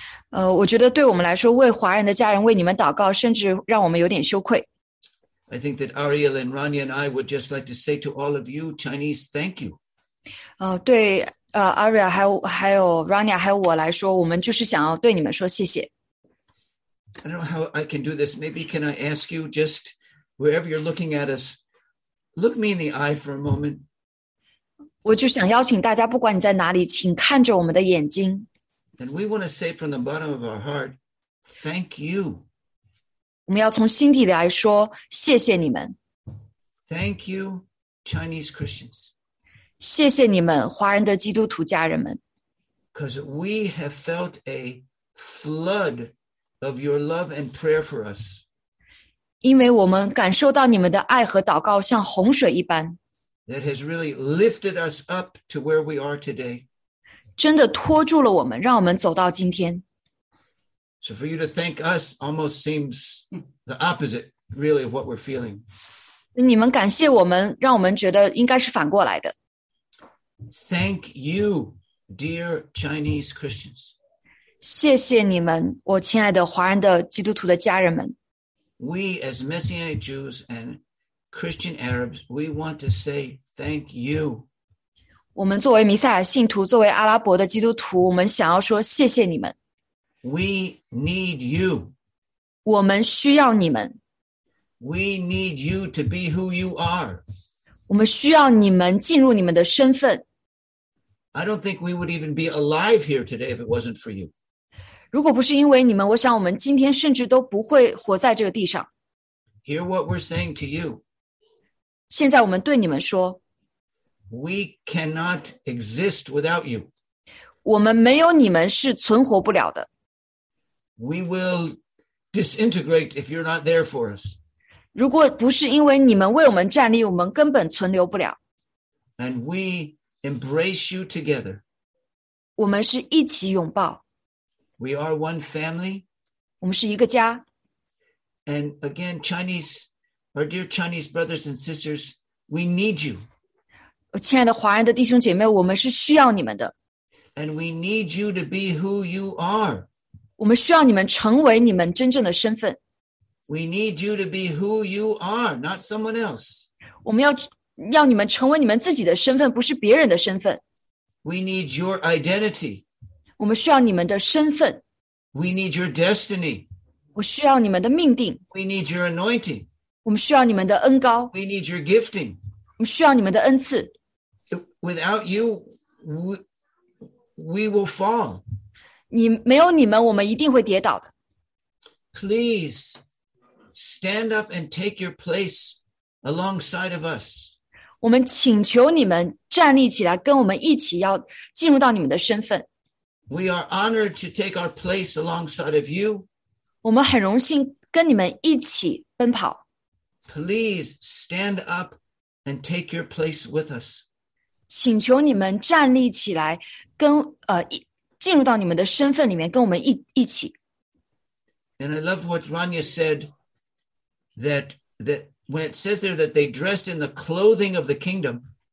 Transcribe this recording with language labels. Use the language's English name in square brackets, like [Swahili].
[Chinese] 我觉得对我们来说，为华人的家人为你们祷告，甚至让我们有点羞愧。 [English] I think that Ariel and Rania and I would just like to say to all of you Chinese, thank you. [Chinese] 对 Ariel 还有 Rania 还有我来说，我们就是想要对你们说谢谢。 [English] I don't know how I can do this. Maybe can I ask you just wherever you're looking at us, look me in the eye for a moment. [Chinese] 我就想邀请大家，不管你在哪里，请看着我们的眼睛。 [English] And we want to say from the bottom of our heart, thank you. [Chinese] 我们要从心底来说谢谢你们。 [English] Thank you, Chinese Christians. [Chinese] 谢谢你们华人的基督徒家人们。 [English] Because we have felt a flood of your love and prayer for us. [Chinese] 因为我们感受到你们的爱和祷告像洪水一般。 [English] That has really lifted us up to where we are today. [Chinese] 真的托住了我们，让我们走到今天。 [English] So for you to thank us almost seems the opposite, really, of what we're feeling. [Chinese] 你们感谢我们，让我们觉得应该是反过来的。 [English] Thank you, dear Chinese Christians. [Chinese] 谢谢你们，我亲爱的华人的基督徒的家人们。 [English] We as Messianic Jews and Christian Arabs, we want to say thank you. [Chinese] 我们作为弥赛亚信徒，作为阿拉伯的基督徒，我们想要说谢谢你们。 [English] We need you. [Chinese] 我们需要你们。 [English] We need you to be who you are. [Chinese] 我们需要你们进入你们的身份。 [English] I don't think we would even be alive here today if it wasn't for you. [Chinese] 如果不是因为你们，我想我们今天甚至都不会活在这个地上。 [English] Hear what we're saying to you. [Chinese] 现在我们对你们说。 [English] We cannot exist without you. [Chinese] 我们没有你们是存活不了的。 [English] We will disintegrate if you're not there for us. [Chinese] 如果不是因为你们为我们站立，我们根本存留不了。 [English] And we embrace you together. [Chinese] 我们是一起拥抱。 [English] We are one family. [Chinese] 我们是一个家。 [English] And again, Chinese, our dear Chinese brothers and sisters, we need you. [Chinese] 亲爱的华人的弟兄姐妹，我们是需要你们的。 [English] And we need you to be who you are. [Chinese] 我们需要你们成为你们真正的身份。 [English] We need you to be who you are, not someone else. [Chinese] 我们要你们成为你们自己的身份，不是别人的身份。 [English] We need your identity. [Chinese] 我们需要你们的身份。 [English] We need your destiny. [Chinese] 我需要你们的命定。 [English] We need your anointing. [Chinese] 我们需要你们的恩膏。 [English] We need your gifting. [Chinese] 我们需要你们的恩赐。 [English] Without you, we will fall. [Chinese] 你没有你们，我们一定会跌倒的。 [English] Please stand up and take your place alongside of us. [Chinese] 我们请求你们站立起来，跟我们一起要进入到你们的身份。 [English] We are honored to take our place alongside of you. [Chinese] 我们很荣幸跟你们一起奔跑。 [English] Please stand up and take your place with us. [Chinese] 请求你们站立起来，跟进入到你们的身份里面，跟我们一起。 [English] And I love what Rania said, that when it says there that they dressed in the clothing of the kingdom.